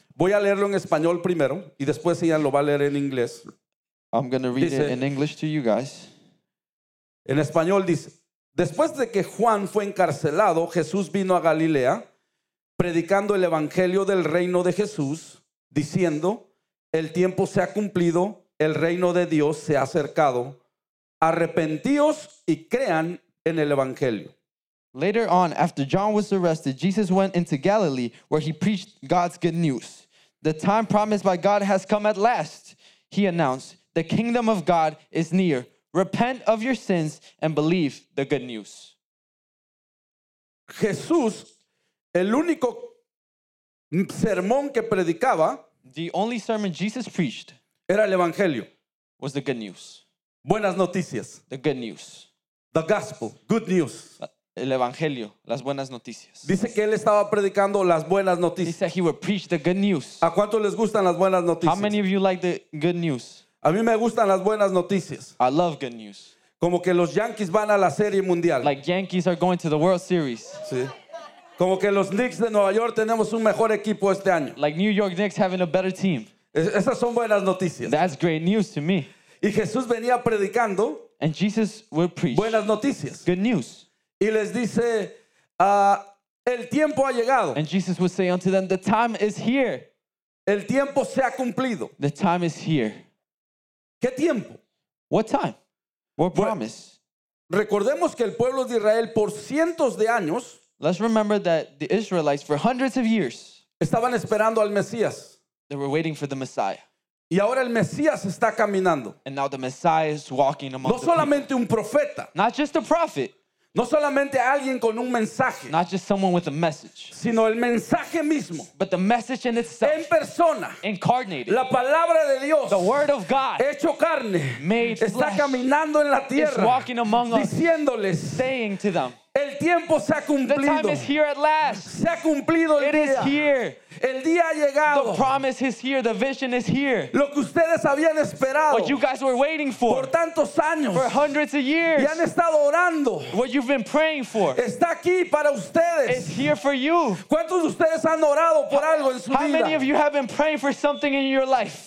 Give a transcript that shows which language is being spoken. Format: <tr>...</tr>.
<es>Voy a leerlo en español primero, y después ella lo va a leer en inglés.</es> <en>I'm going to read it in English to you guys.</en> <es>En español dice, después de que Juan fue encarcelado, Jesús vino a Galilea, predicando el evangelio del reino de Jesús, diciendo, el tiempo se ha cumplido, el reino de Dios se ha acercado. Arrepentíos y crean en el evangelio.</es> <en>Later on, after John was arrested, Jesus went into Galilee, where he preached God's good news. The time promised by God has come at last, he announced. The kingdom of God is near. Repent of your sins and believe the good news.</en> <es>Jesús, el único sermón que predicaba,</es> <en>the only sermon Jesus preached,</en> <es>era el evangelio,</es> <en>was the good news.</en> <es>Buenas noticias.</es> <en>The good news. The gospel, good news.</en> <es>El evangelio, las buenas noticias. Dice que él estaba predicando las buenas noticias.</es> <en>He said he would preach the good news.</en> <es>¿A cuánto les gustan las buenas noticias?</es> <en>How many of you like the good news?</en> <es>A mí me gustan las buenas noticias.</es> <en>I love good news.</en> <es>Como que los Yankees van a la Serie Mundial.</es> <en>Like Yankees are going to the World Series.</en> <es>Sí. Como que los Knicks de Nueva York tenemos un mejor equipo este año.</es> <en>Like New York Knicks having a better team.</en> <es>Esas son buenas noticias.</es> <en>That's great news to me.</en> <es>Y Jesús venía predicando.</es> <en>And Jesus would preach.</en> <es>Buenas noticias.</es> <en>Good news.</en> <es>Y les dice, el tiempo ha llegado.</es> <en>And Jesus would say unto them, the time is here.</en> <es>El tiempo se ha cumplido.</es> <en>The time is here.</en> <es>¿Qué tiempo?</es> <en>What time? What promise?</en> <es>Recordemos que el pueblo de Israel por cientos de años.</es> <en>Let's remember that the Israelites for hundreds of years</en> <es>estaban esperando al Mesías.</es> <en>They were waiting for the Messiah.</en> <es>Y ahora el Mesías está caminando.</es> <en>And now the Messiah is walking among</en> <es>no solamente un profeta.</es> <en>Not just a prophet.</en> <es>No solamente alguien con un mensaje.</es> <en>Not just someone with a message.</en> <es>Sino el mensaje mismo.</es> <en>But the message in itself.</en> <es>En persona.</es> <en>Incarnated.</en> <es>La palabra de Dios.</es> <en>The word of God.</en> <es>Hecho carne.</es> <en>Made flesh.</en> <es>Está caminando en la tierra.</es> <en>Is walking among</en> <es>diciéndoles,</es> <en>us.</en> <es>Diciéndoles.</es> <en>Saying to them.</en> <es>El tiempo se ha cumplido.</es> <en>The time is here at last.</en> <es>Se ha cumplido el</es> <en>it</en> <es>día.</es> <en>It is here.</en> <es>El día ha llegado.</es> <en>The promise is here. The vision is here.</en> <es>Lo que ustedes habían esperado.</es> <en>What you guys were waiting for.</en> <es>Por tantos años.</es> <en>For hundreds of years.</en> <es>Y han estado orando.</es> <en>What you've been praying for.</en> <es>Está aquí para ustedes.</es> <en>It's here for you.</en> <es>¿Cuántos de ustedes han orado por algo en su</es> <en>how</en> <es>vida?</es> <en>How many of you have been praying for something in your life?</en>